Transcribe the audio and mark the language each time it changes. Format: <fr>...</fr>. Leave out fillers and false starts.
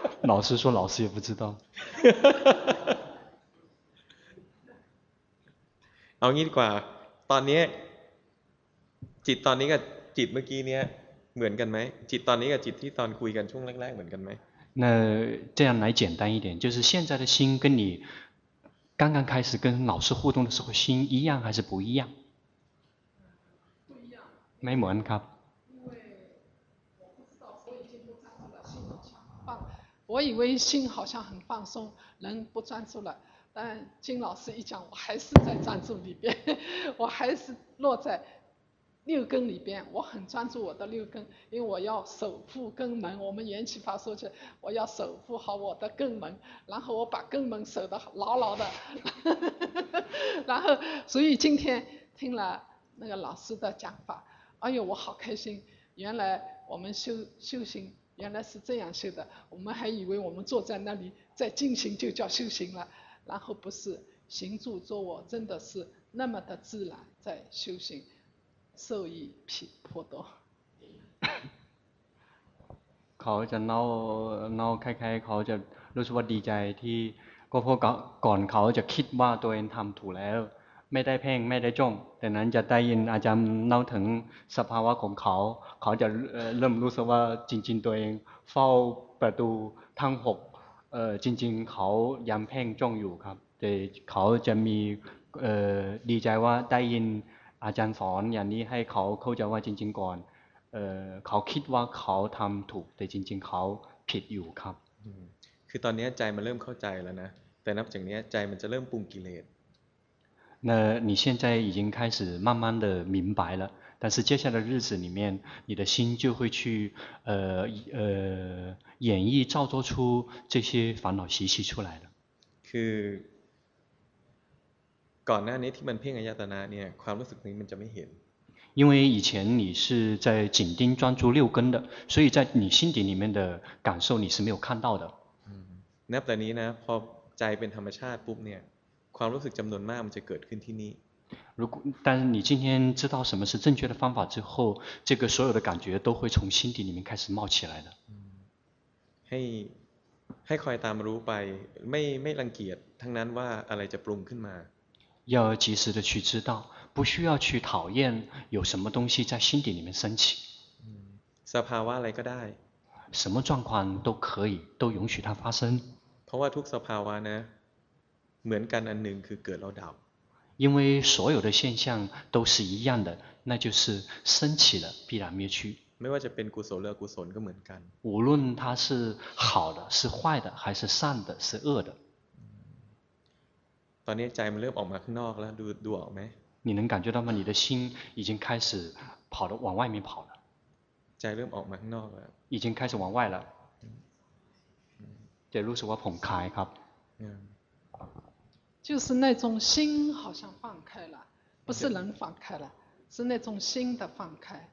<zh>老师说老师也不知道</zh> <th>เอางี้ดีกว่าตอนนี้จิตตอนนี้กับจิตเมื่อกี้เนี้ยเหมือนกันไหมจิตตอนนี้กับจิตที่ตอนคุยกันช่วงแรกๆเหมือนกันไหม</th> <zh>那这样来简单一点就是现在的心跟你刚刚开始跟老师互动的时候心一样还是不一样不一样没门ครับ 因为我不知道所以心不专注了心很放我以为心好像很放松人不专注了但金老师一讲我还是在专注里边我还是落在六根里边我很专注我的六根因为我要守护根门我们缘起法说起我要守护好我的根门然后我把根门守得牢牢的然后所以今天听了那个老师的讲法哎呦我好开心原来我们修行原来是这样修的我们还以为我们坐在那里在进行就叫修行了然后不是行住坐卧真的是那么的自然在修行受益颇多</zh> <th>เขาจะเล่าคล้ายๆเขาจะรู้สึกว่าดีใจที่ก็เพราะก่อนเขาจะคิดว่าตัวเองทำถูกแล้ว ไม่ได้เพ่งไม่ได้จ้องแต่นั้นจะได้ยินอาจารย์เล่าถึงสภาวะของเขาเขาจะเริ่มรู้สึกว่าจริงๆตัวเองเฝ้าประตูทั้ง6จริงๆเขายังเพ่งจ้องอยู่ครับแต่เขาจะมีดีใจว่าได้ยินอาจารย์สอนอย่างนี้ให้เขาเข้าใจว่าจริงๆก่อนเขาคิดว่าเขาทำถูกแต่จริงๆเขาผิดอยู่ครับ คือตอนนี้ใจมันเริ่มเข้าใจแล้วนะแต่นับจากนี้ใจมันจะเริ่มปรุงกิเลส</th> <zh>那你现在已经开始慢慢的明白了，但是接下来的日子里面，你的心就会去演绎造作出这些烦恼习气出来了。</zh> <th>คือก่อนหน้านี้ที่มันเพ่งอายตนะเนี่ยความรู้สึกนี้มันจะไม่เห็น。</th> <zh>因为以前你是在紧盯专注六根的，所以在你心底里面的感受你是没有看到的。</zh> <th>นับแต่นี้นะพอใจเป็นธรรมชาติปุ๊บเนี่ยความรู้สึกจำนวนมากมันจะเกิดขึ้นที่นี่</th> <zh>如果但是你今天知道什么是正确的方法之后这个所有的感觉都会从心底里面开始冒起来的</zh> <th>ให้คอยตามรู้ไปไม่รังเกียจทั้งนั้นว่าอะไรจะปรุงขึ้นมา</th> <zh>要及时的去知道不需要去讨厌有什么东西在心底里面升起</zh> <th>สภาวะอะไรก็ได้</th> <zh>什么状况都可以都允许它发生</zh> <th>เพราะว่าทุกสภาวะนะเหมือนกันอันหนึ่งคือเกิดแล้วดับ</th> <zh>因为所有的现象都是一样的那就是升起了必然灭去</zh> <th>ไม่ว่าจะเป็นกุศลหรืออกุศลก็เหมือนกัน</th> <zh>无论它是好的是坏的还是善的是恶的</zh> <th>ตอนนี้ใจมันเริ่มออกมาข้างนอกแล้วดูออกไหม</th> <zh>你能感觉到吗你的心已经开始跑了往外面跑了</zh> <th>ใจเริ่มออกมาข้างนอกแล้ว</th> <zh>已经开始往外了</zh> <th>จะรู้สึกว่าผ่อนคลายครับ</th> <zh>就是那种心好像放开了不是人放开了是那种心的放开</zh>